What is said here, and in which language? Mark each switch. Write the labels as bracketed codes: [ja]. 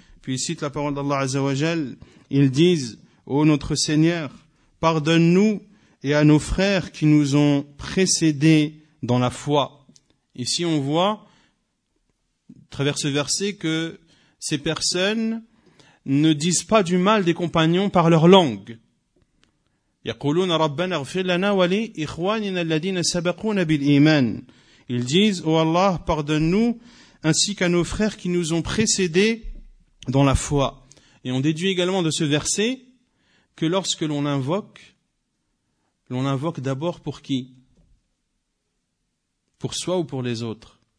[fr] Puis ils citent la parole d'Allah azza wa jal, ils disent, ô notre Seigneur, pardonne-nous et à nos frères qui nous ont précédés dans la foi. Ici on voit, à travers ce verset, que ces personnes ne disent pas du mal des compagnons par leur langue. [ar] يقولون ربنا اغفر لنا ولي إخواننا الذين سبقونا بالإيمان. [fr] Ils disent, oh Allah, pardonne-nous ainsi qu'à nos frères qui nous ont précédés dans la foi. Et on déduit également de ce verset que lorsque l'on invoque d'abord pour qui? Pour soi ou pour les autres?